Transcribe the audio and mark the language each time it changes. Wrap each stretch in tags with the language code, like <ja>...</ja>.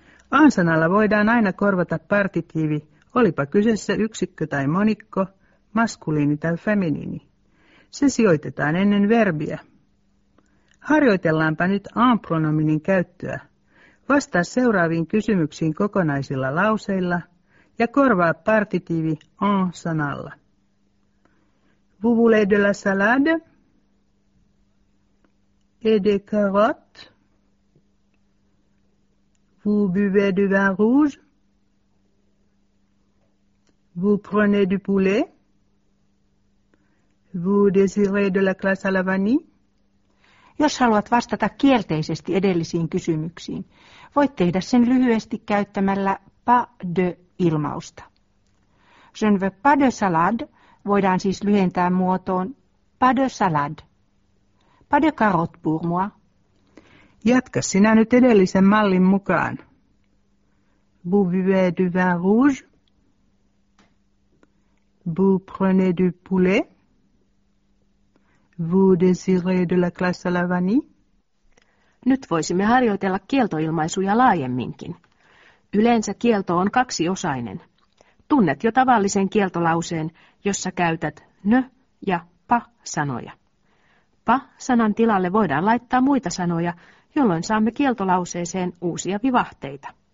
<fi>Ansanalla voidaan aina korvata partitiivi, olipa kyseessä yksikkö tai monikko, maskuliini tai feminiini. Se sijoitetaan ennen verbiä. Harjoitellaanpa nyt en-pronominin käyttöä. Vastaa seuraaviin kysymyksiin kokonaisilla lauseilla ja korvaa partitiivi en-sanalla.</fi> <fr>Vous voulez de la salade? Et des carottes? Vous buvez du vin rouge? Vous prenez du poulet? Vous désirez de la glace à la vanille?</fr> <fi>Jos haluat vastata kielteisesti edellisiin kysymyksiin, voit tehdä sen lyhyesti käyttämällä pas de-ilmausta.</fi> <fr>Je ne veux pas de salade</fr> <fi>voidaan siis lyhentää muotoon</fi> <fr>pas de salade. Pas de carotte pour moi.</fr> <fi>Jatka sinä nyt edellisen mallin mukaan.</fi> <fr>Vous buvez du vin rouge? Vous prenez du poulet? Vous désirez de la glace à la vanille?</fr> <fi>Nyt voisimme harjoitella kieltoilmaisuja laajemminkin. Yleensä kielto on kaksiosainen. Tunnet jo tavallisen kieltolauseen, jossa käytät nö ja pa sanoja. Pa sanan tilalle voidaan laittaa muita sanoja, jolloin saamme kieltolauseeseen uusia vivahteita.</fi>